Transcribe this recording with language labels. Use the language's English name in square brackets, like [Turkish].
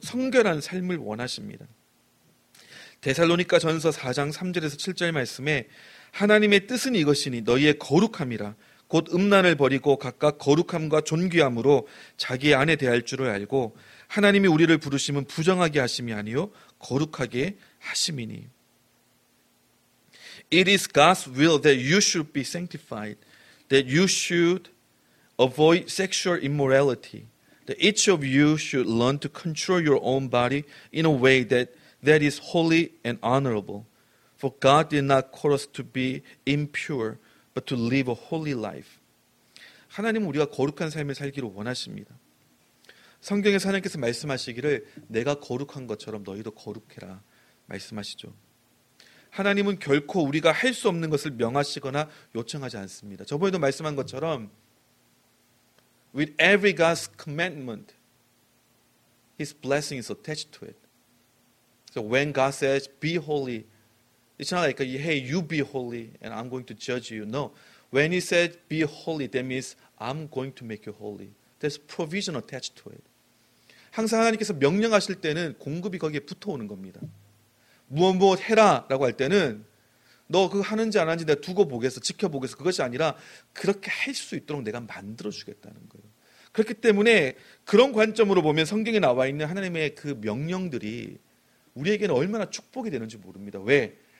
[Korean] 성결한 삶을 원하십니다. 데살로니가 전서 4장 3절에서 7절 말씀에 하나님의 뜻은 이것이니 너희의 거룩함이라 곧 음란을 버리고 각각 거룩함과 존귀함으로 자기 안에 대할 줄을 알고 하나님이 우리를 부르심은 부정하게 하심이 아니요 거룩하게 하심이니. [English] It is God's will that you should be sanctified, that you should avoid sexual immorality, that each of you should learn to control your own body in a way that is holy and honorable. For God did not call us to be impure, but to live a holy life. [Korean] 하나님은 우리가 거룩한 삶을 살기를 원하십니다. 성경에서 하나님께서 말씀하시기를 내가 거룩한 것처럼 너희도 거룩해라 말씀하시죠. 하나님은 결코 우리가 할 수 없는 것을 명하시거나 요청하지 않습니다. 저번에도 말씀한 것처럼 [English] With every God's commandment, His blessing is attached to it. So when God says, be holy, it's not like, hey, you be holy and I'm going to judge you. No. When He said, be holy, that means I'm going to make you holy. There's provision attached to it. [Korean] 항상 하나님께서 명령하실 때는 공급이 거기에 붙어오는 겁니다. 무엇 해라 라고 할 때는 너 그거 하는지 안 하는지 내가 두고 보겠어, 지켜보겠어. 그것이 아니라 그렇게 할 수 있도록 내가 만들어주겠다는 거예요. 그렇기 때문에 그런 관점으로 보면 성경에 나와 있는 하나님의 그 명령들이 우리에게는 얼마나 축복이 되는지 모릅니다. 왜?